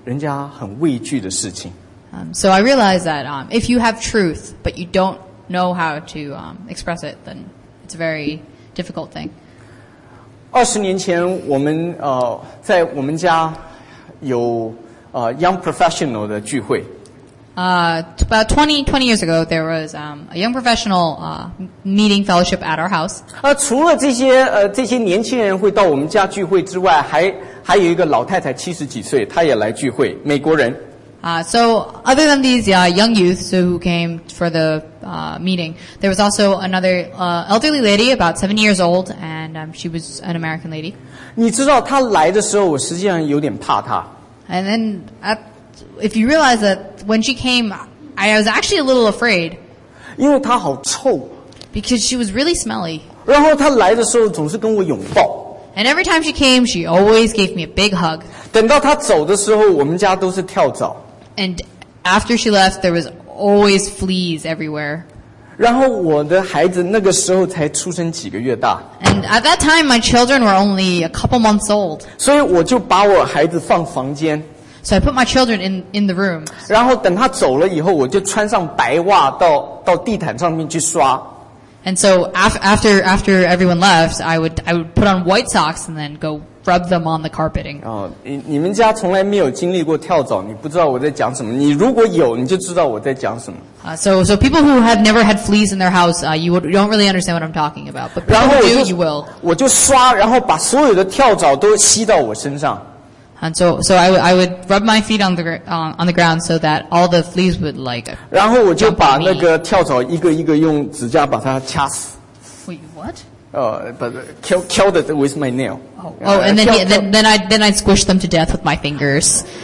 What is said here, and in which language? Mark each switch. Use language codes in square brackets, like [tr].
[zh] 所以我发现你有真理，你不懂得怎么去包容，那是一件人家很畏惧的事情。 [en] So I realize that if you have truth, but you don't know how to express it, then it's a very difficult thing. [zh] 20年前我们在我们家有 [en] young professional [zh] 的聚会。 [en] About 20 years ago, there was a young professional meeting fellowship at our house. [zh] 除了这些年轻人会到我们家聚会之外，还有一个老太太70几岁，她也来聚会，美国人。 [en] So other than these young youth so who came for the meeting, there was also another elderly lady, about 7 years old, and she was an American lady. [zh] 你知道她来的时候, 我实际上有点怕她。 [en] And then if you realize that when she came, I was actually a little afraid. [zh] 因为她好臭。 [en] Because she was really smelly. [zh] 然后她来的时候总是跟我拥抱。 [en] And every time she came, she always gave me a big hug. [zh] 等到她走的时候, 我们家都是跳蚤。 [en] And after she left, there was always fleas everywhere. [zh] 然后我的孩子那个时候才出生几个月大。 [en] And at that time, my children were only a couple months old. [zh] 所以我就把我孩子放房间。 [en] So I put my children in the room. [zh] 然后等她走了以后, 我就穿上白袜到地毯上面去刷。 [en] And so after everyone left, I would put on white socks and then go rub them on the carpeting. [zh] 你们家从来没有经历过跳蚤，你不知道我在讲什么。你如果有，你就知道我在讲什么。So [en] people who have never had fleas in their house, you don't really understand what I'm talking about. But people who do, you will. [zh] 我就刷，然后把所有的跳蚤都吸到我身上。 [en] And so I would rub my feet on the ground so that all the fleas would like. [zh] 然后我就把那个跳蚤一个一个用指甲把它掐死。 [en] Wait, what? But kill it with my nail. And then I squish them to death with my fingers.